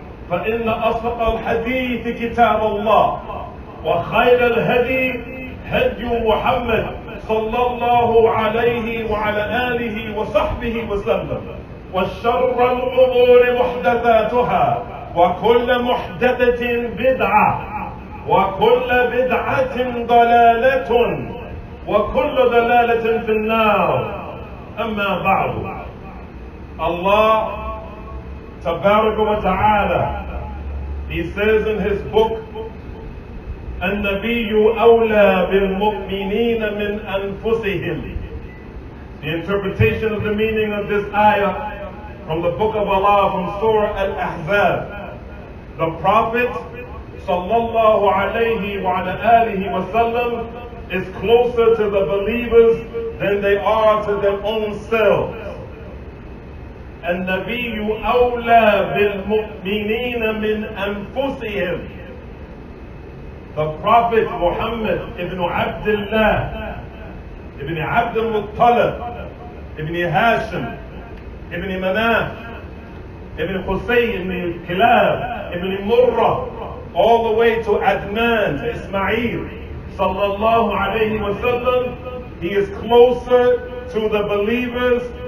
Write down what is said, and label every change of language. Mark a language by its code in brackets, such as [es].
[ar] فإن أصدق الحديث كتاب الله وخير الهدي هدي محمد صلى الله عليه وعلى آله وصحبه وسلم وشر الأمور محدثاتها وكل محدثة بدعة وكل بدعة ضلالة وكل ضلالة في النار أما بعد الله تبارك وتعالى [en] He says in his book [ar] النبي أولى بالمؤمنين من أنفسهم. [en] The interpretation of the meaning of this ayah from the book of Allah, from Surah Al-Ahzab. The Prophet [ar] صلى الله عليه وعلى آله وسلم [en] is closer to the believers than they are to their own selves. [ar] النبي أولى بالمؤمنين من أنفسهم. [en] The Prophet Muhammad ibn Abdullah, ibn Abd al-Muttalib, ibn Hashim, ibn Manaf, ibn Husayn, ibn Kilab, ibn Murrah, all the way to Adnan, to Ismail, sallallahu alayhi wa sallam, he is closer to the believers,